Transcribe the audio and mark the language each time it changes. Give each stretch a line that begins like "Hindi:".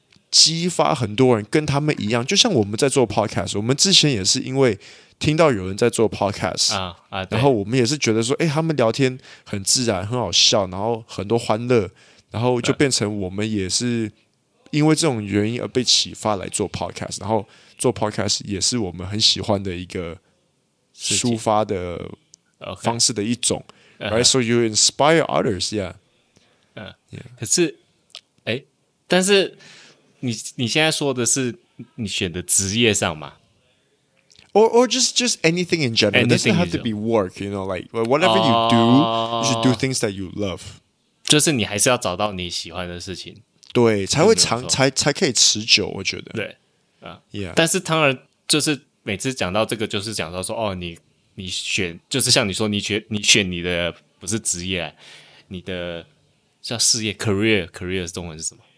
Chinese: 激发很多人跟他们一样，就像我们在做 podcast， 我们之前也是因为听到有人在做 podcast、然后我们也是觉得说、他们聊天很自然很好笑，然后很多欢乐，然后就变成我们也是因为这种原因而被启发来做 podcast， 然后做 podcast 也是我们很喜欢的一个抒发的 Okay. 方式的一种、right?
English: So you inspire others yeah.、
Chinese: 可是、但是 你现在说的是你选的职业上吗
English: or just anything in general anything It doesn't have to be work you know, like, Whatever you do You should do things that you love
Chinese: 就是你还是要找到你喜欢的事情对 才可以持久我觉得对、 yeah. 但是当然就是每次讲到这个就是讲到说哦你选就是像你说你选你的不是职业你的叫事业 career 是中文是什么